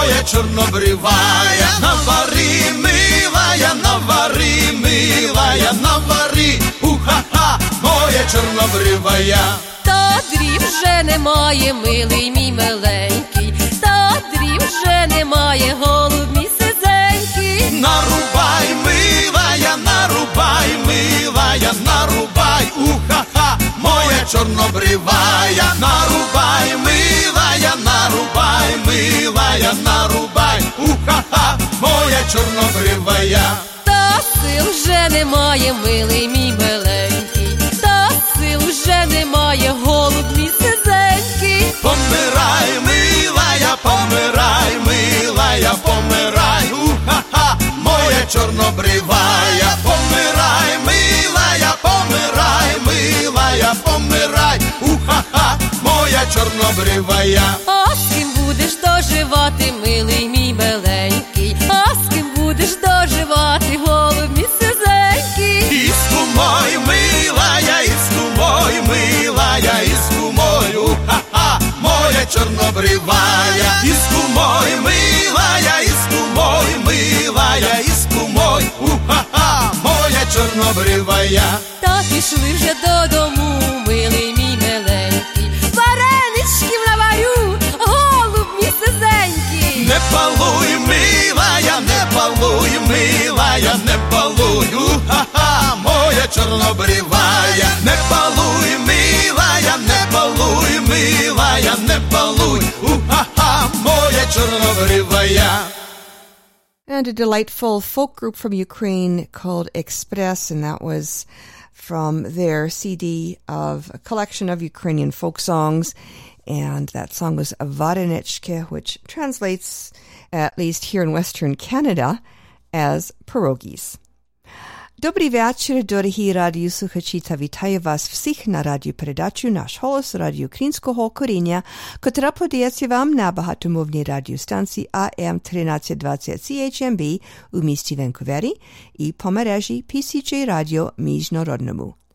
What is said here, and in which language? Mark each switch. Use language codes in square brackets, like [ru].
[uk] чорнобривая, навари, милая, навари, милая, навари, уха-ха, моя чорнобривая. Та дрів вже немає, милий мій миленький, та дрів вже немає, голуб мій сизенький. Нарубай, милая, нарубай, милая, нарубай, уха-ха, моя чорнобривая, нарубай, милая, нарубай, милая, нарубай, уха-ха, моя чорнобривая. Та сил вже немає, милий мій миленький, та сил вже немає, голуб мій сизенький. Помирай, милая, помирай, милая, помирай, уха-ха, моя чорнобривая. Помирай, милая, помирай, милая, помирай, уха-ха, моя чорнобривая. А з ким будеш доживати, милий мій миленький, а з ким будеш доживати, голуб мій сизенький? І з кумой, милая, і з кумой, милая, і з кумой, уха-ха, моя чорнобривая. І з кумой, милая, і з кумой, милая, і з кумой, уха-ха, моя чорнобривая. Та пішли вже додому, милий мій миленький, варенички наварю, голуб мій сизенький. Не палуй, милая, не палуй, милая, не палуй, уха-ха, моя чорнобривая. Не палуй, милая, не палуй, милая, не палуй, уха-ха, моя чорнобривая. [en] And a delightful folk group from Ukraine called Express, and that was from their CD of a collection of Ukrainian folk songs. And that song was Varenichke, which translates, at least here in Western Canada, as pierogies. [uk] Добрий вечір, дорогі радіослухачі, та вітаю вас всіх на радіопередачу «Наш голос» радіо українського коріння, котра подається вам на багатомовній радіостанції AM 1320 CHMB у місті Ванкувері і по мережі PCJ Радіо Міжнародному.